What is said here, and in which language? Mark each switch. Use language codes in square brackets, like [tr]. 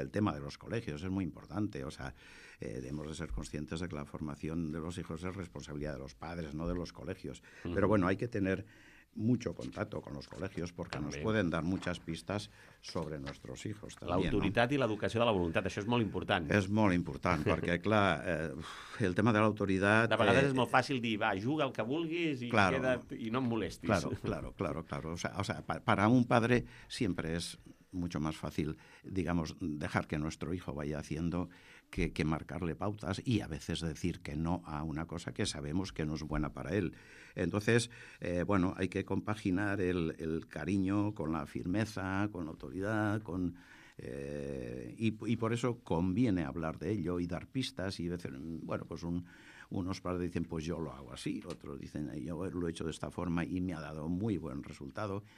[es] El tema de los colegios es muy importante, o sea, debemos de ser conscientes de que la formación de los hijos es responsabilidad de los padres, no de los colegios. Uh-huh. Pero bueno, hay que tener mucho contacto con los colegios porque nos pueden dar muchas pistas sobre nuestros hijos. [ca] L'autoritat i l'educació de la voluntat, això és molt important. És molt important, perquè, clar, el tema de l'autoritat... De vegades és molt fàcil dir, va, juga el que vulguis i, claro, queda't, i no em molestis. [es] Claro, claro, claro. Claro. O sea, para un padre siempre es mucho más fácil, digamos, dejar que nuestro hijo vaya haciendo... Que marcarle pautas y a veces decir que no a una cosa que sabemos que no es buena para él. Entonces, bueno, hay que compaginar el cariño con la firmeza, con la autoridad, con y por eso conviene hablar de ello y dar pistas y decir, bueno, pues unos padres dicen, pues yo lo hago así, otros dicen, yo lo he hecho de esta forma y me ha dado muy buen resultado.